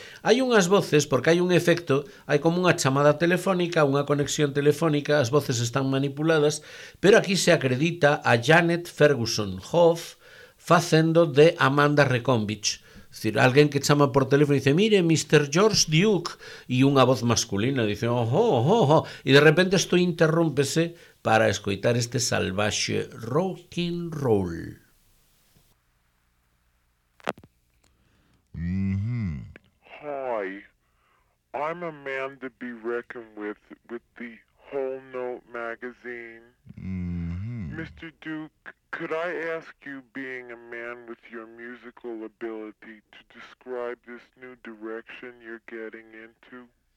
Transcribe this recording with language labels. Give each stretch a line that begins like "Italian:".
Galician: Hai unhas voces, porque hai un efecto, hai como unha chamada telefónica, unha conexión telefónica, as voces están manipuladas, pero aquí se acredita a Janet Ferguson Hoff facendo de Amanda Reconvich.
Spanish: Es decir, alguien que chama por teléfono y dice, mire, Mr. George Duke, y una voz masculina dice, ojo, ojo, ojo, y de repente esto interrúmpese para escuchar este salvaje rock and roll.
English: Hi, I'm a man to be reckoned with the whole note. Magazine. Mr. Duke, could I ask you, being a man with your musical ability, to describe this new direction you're getting into?